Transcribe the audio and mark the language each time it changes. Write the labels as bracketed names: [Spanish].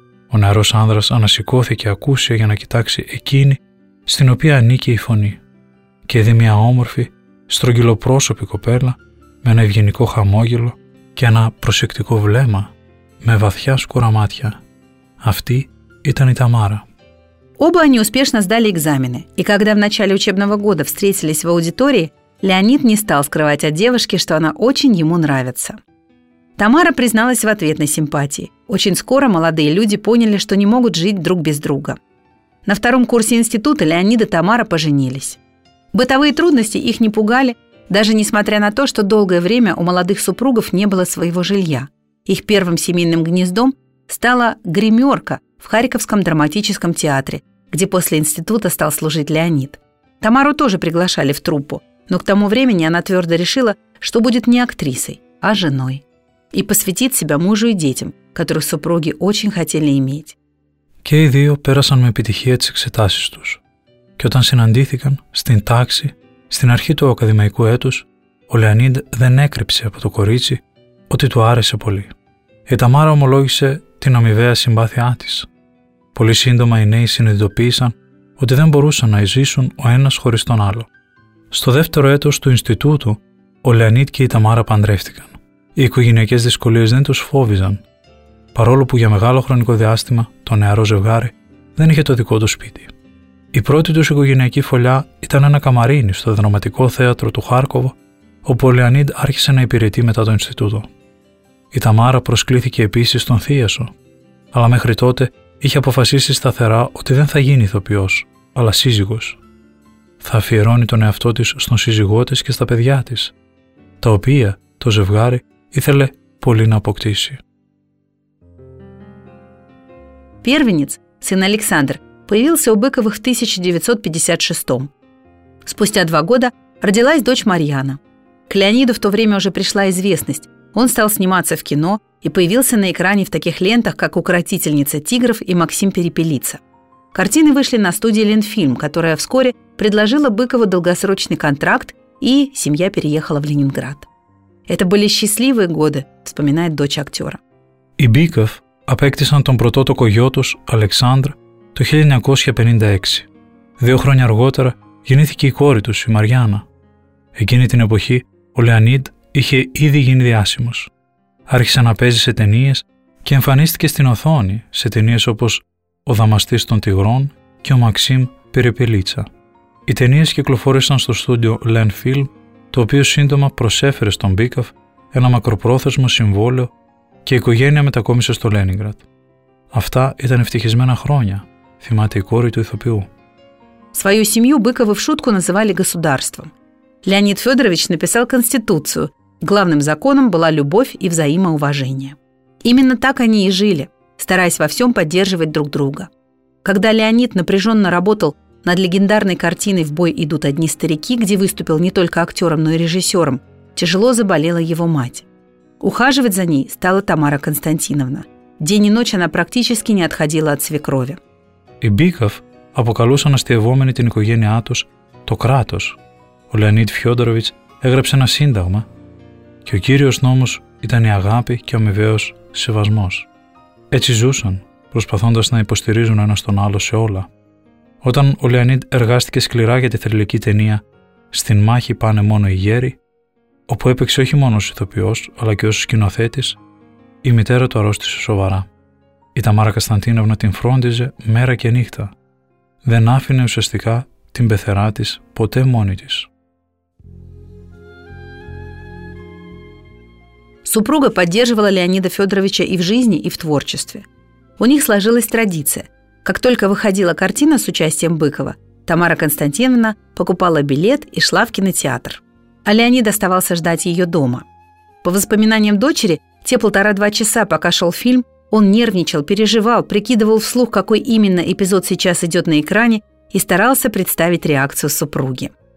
[Greek] Ο νεαρός άνδρας ανασηκώθηκε ακούσια για να κοιτάξει εκείνη στην οποία ανήκει η φωνή και είδε μια όμορφη, στρογγυλοπρόσωπη κοπέλα με ένα ευγενικό χαμόγελο και ένα προσεκτικό βλέμμα με βαθιά σκούρα μάτια. Αυτή ήταν η Ταμάρα. [Russian] Оба они успешно сдали экзамены, и когда в начале учебного года встретились в аудитории, Леонид не стал скрывать от девушки, что она очень ему нравится. Тамара призналась в ответной симпатии. Очень скоро молодые люди поняли, что не могут жить друг без друга. На втором курсе института Леонид и Тамара поженились. Бытовые трудности их не пугали, даже несмотря на то, что долгое время у молодых супругов не было своего жилья. Их первым семейным гнездом стала гримерка в Харьковском драматическом театре, где после института стал служить Леонид. Тамару тоже приглашали в труппу, но к тому времени она твердо решила, что будет не актрисой, а женой. И посвятит себя мужу и детям, которых супруги очень хотели иметь. [Greek] Και οι δύο πέρασαν με επιτυχία τις εξετάσεις τους. Και όταν συναντήθηκαν στην τάξη, στην αρχή του ακαδημαϊκού έτους, ο Λεωνίδ δεν έκρυψε από το κορίτσι ότι του άρεσε πολύ. Η Ταμάρα ομολόγησε την αμοιβαία συμπάθειά της. Πολύ σύντομα οι νέοι συνειδητοποίησαν ότι δεν μπορούσαν να ζήσουν ο ένας χωρίς τον άλλο. Στο δεύτερο έτος του Ινστιτούτου, ο Λεωνίδ και η Ταμάρα παντρεύτηκαν. Οι οικογενειακές δυσκολίες δεν τους φόβιζαν, παρόλο που για μεγάλο χρονικό διάστημα το νεαρό ζευγάρι δεν είχε το δικό του σπίτι. Η πρώτη τους οικογενειακή φωλιά ήταν ένα καμαρίνι στο δραματικό θέατρο του Χάρκοβο, όπου ο Λεωνίδ άρχισε να υπηρετεί μετά το Ινστιτούτο. Η Ταμάρα προσκλήθηκε επίσης στον Θίασο. Αλλά μέχρι τότε είχε αποφασίσει σταθερά ότι δεν θα γίνει ηθοποιός, αλλά σύζυγος. Θα αφιερώνει τον εαυτό της στον σύζυγό της και στα παιδιά της, τα οποία το ζευγάρι ήθελε πολύ να αποκτήσει. [Russian] Первенец, сын Александр, появился у Быковых в 1956-м. Спустя два года родилась дочь Марьяна. К Леониду в то время уже пришла известность. Он стал сниматься в кино и появился на экране в таких лентах, как «Укротительница тигров» и «Максим Перепелица». Картины вышли на студии «Ленфильм», которая вскоре предложила Быкову долгосрочный контракт, и семья переехала в Ленинград. «Это были счастливые годы», — вспоминает дочь актера. И Быков [Greek] απέκτησαν τον πρωτότοκο γιο τους, Αλεξάνδρ, το 1956. Δύο χρόνια αργότερα γεννήθηκε η κόρη τους, η Μαριάννα. Εκείνη την εποχή, ο Λεονίδ είχε ήδη γίνει διάσημος. Άρχισε να παίζει σε ταινίες και εμφανίστηκε στην οθόνη σε ταινίες όπως «Ο Δαμαστής των Τιγρών» και «Ο Μαξίμ Πυρεπιλίτσα». Οι ταινίες κυκλοφόρησαν στο στούντιο Lenfilm, το οποίο σύντομα προσέφερε στον Μπίκοφ ένα μακροπρόθεσμο συμβόλαιο και η οικογένεια μετακόμισε στο Λένιγκρατ. Αυτά ήταν ευτυχισμένα χρόνια, θυμάται η κόρη του ηθοποιού. [Russian] Свою семью Быковы в шутку называли государством. Леонид Федорович написал Конституцию. Главным законом была любовь и взаимоуважение. Именно так они и жили, стараясь во всем поддерживать друг друга. Когда Леонид напряженно работал над легендарной картиной «В бой идут одни старики», где выступил не только актером, но и режиссером, тяжело заболела его мать. Ухаживать за ней стала Тамара Константиновна. День и ночь она практически не отходила от свекрови. И Быков [Greek] αποκαλούσαν αστειευόμενοι την οικογένειά τους «το κράτος». Ο Λεονίδ Φιόντοροβιτς έγραψε ένα σύνταγμα και ο κύριος νόμος ήταν η αγάπη και ο αμοιβαίος σεβασμός. Έτσι ζούσαν, προσπαθώντας να υποστηρίζουν ένας τον άλλο σε όλα. Όταν ο Λεονίδ εργάστηκε σκληρά για τη θρηλυκή ταινία «Στην μάχη πάνε μόνο οι γέροι», όπου έπαιξε όχι μόνο ως ηθοποιός, αλλά και ως σκηνοθέτης, η μητέρα του αρρώστησε σοβαρά. Η Ταμάρα Κωνσταντίνοβνα την φρόντιζε μέρα και νύχτα. Δεν άφηνε ουσιαστικά την πεθερά της ποτέ μόνη της. [Russian] Супруга поддерживала Леонида Федоровича и в жизни, и в творчестве. У них сложилась традиция. Как только выходила картина с участием Быкова, Тамара Константиновна покупала билет и шла в кинотеатр. А Леонид оставался ждать ее дома. По воспоминаниям дочери, те полтора-два часа, пока шел фильм, он нервничал, переживал, прикидывал вслух, какой именно эпизод сейчас идет на экране, и старался представить реакцию супруги.